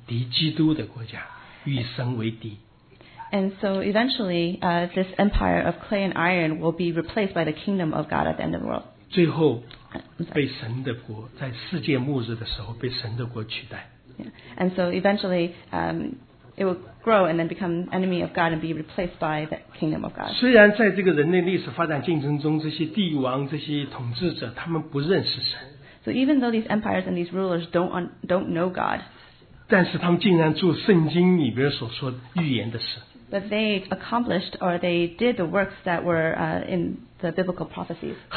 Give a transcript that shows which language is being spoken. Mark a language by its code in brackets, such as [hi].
[zh] 最后这个半铁半泥的世界性的国家会变成敌基督的国家 与神为敌 [en] And so eventually this empire of clay and iron will be replaced by the kingdom of God at the end of the world [zh] 最后被神的国 在世界末日的时候被神的国取代 yeah. [en] And so eventually it will grow and then become enemy of God and be replaced by the kingdom of God. [zh] 虽然在这个人类历史发展竞争中，这些帝王、这些统治者，他们不认识神。 [en] So even though these empires and these rulers don't know God, [zh] 但是他们竟然做圣经里边所说预言的事。 [en] But they accomplished or they did the works that were in the biblical prophecies.